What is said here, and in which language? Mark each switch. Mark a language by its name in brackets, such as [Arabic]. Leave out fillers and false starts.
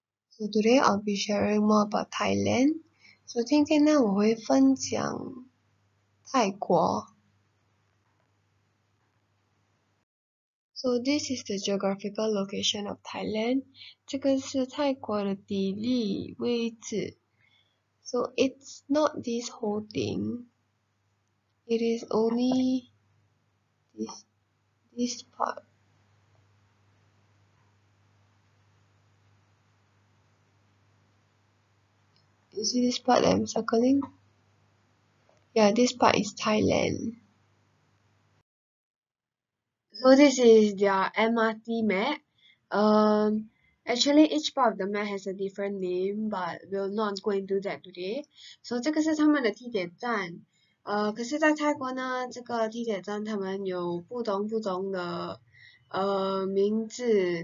[English] So today I'll be sharing more about Thailand. [Chinese] So 今天呢，我会分享泰国。 [English] So this is the geographical location of Thailand. [Chinese] 这个是泰国的地理位置。 [English] So it's not this whole thing. It is only this part. You see this part that I'm circling? Yeah, this part is Thailand. So this is their MRT map. Actually, each part of the map has a different name, but we'll not go into that today. [Chinese] So 这个是他们的地铁站。可是，在泰国呢，这个地铁站他们有不同的名字。